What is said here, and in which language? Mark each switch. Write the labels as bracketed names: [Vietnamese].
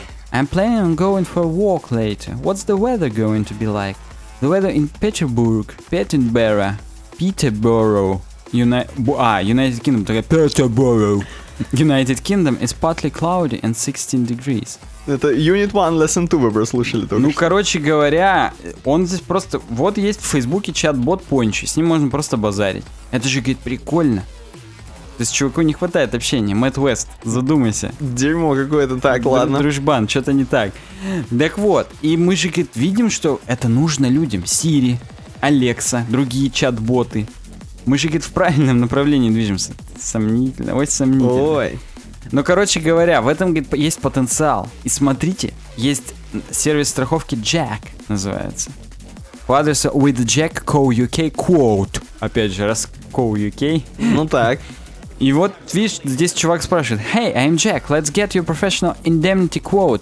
[English] I'm planning on going for a walk later. What's the weather going to be like? The weather in Peterborough, United Kingdom is partly cloudy and 16 degrees. [Russian] Это Unit 1 Lesson 2 вы прослушали только. Ну, короче говоря, он здесь просто... Вот есть в Фейсбуке чат-бот Пончо, с ним можно просто базарить. Это же, говорит, прикольно. То есть чуваку не хватает общения. Мэтт Уэст, задумайся. Дерьмо какое-то, так, ладно. Дружбан, что-то не так. Так вот, и мы же, говорит, видим, что это нужно людям. Siri, Alexa, другие чат-боты. Мы же, говорит, в правильном направлении движемся. Сомнительно, очень сомнительно. Ой. Ну, короче говоря, в этом, говорит, есть потенциал. И смотрите, есть сервис страховки Jack, называется. По адресу withjack.co.uk. Опять же, раз co.uk. Ну так. И вот, видишь, здесь чувак спрашивает. [English] Hey, I'm Jack, let's get your professional indemnity quote.